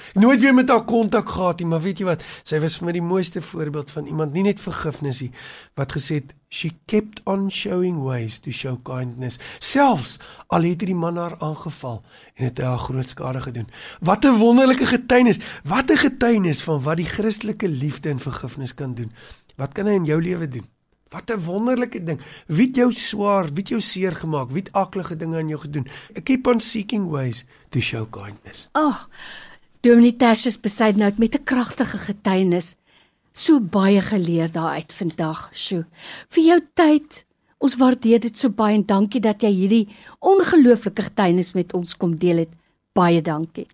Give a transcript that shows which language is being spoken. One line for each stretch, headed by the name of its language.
Afrikaans: Nooit weer met haar kontak gehad nie, maar weet jy wat, sy was vir my die mooiste voorbeeld van iemand, nie net vergifnis nie, wat gesê het,
English: she kept on showing ways to show kindness,
Afrikaans: selfs al het die man haar aangeval, en het haar groot skade gedoen. Wat 'n wonderlike getuienis, wat 'n getuienis van wat die Christelike liefde en vergifnis kan doen. Wat kan hy in jou lewe doen? Wat 'n wonderlike ding. Wie het jou swaar, wie het jou seer gemaak, wie het aklige dinge aan jou gedoen?
English: I keep on seeking ways to show kindness.
Afrikaans: Ach, Dominie Tertius besluit nou met 'n kragtige getuienis. So baie geleer daaruit vandag, sjoe. Vir jou tyd, ons waardeer dit so baie en dankie dat jy hierdie ongelooflike getuienis met ons kom deel het. Baie dankie.